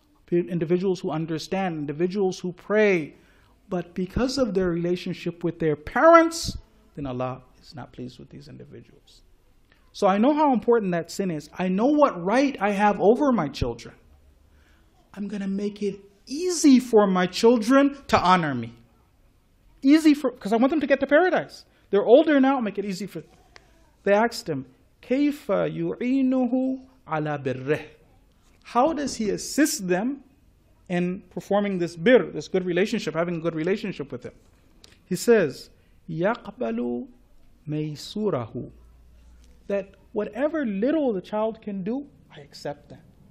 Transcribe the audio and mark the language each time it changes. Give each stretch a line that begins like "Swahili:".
English: Individuals who understand, individuals who pray, but because of their relationship with their parents, then Allah is not pleased with these individuals. So I know how important that sin is. I know what right I have over my children. I'm going to make it easy for my children to honor me. Easy for, because I want them to get to paradise. They're older now, make it easy for them. They asked him,
Arabic: كَيْفَ يُعِينُهُ عَلَى بِرِّهِ.
English: How does he assist them in performing this birr, this good relationship, having a good relationship with them? He says,
Arabic: يَقْبَلُ مَيْسُورَهُ.
English: That whatever little the child can do, I accept that.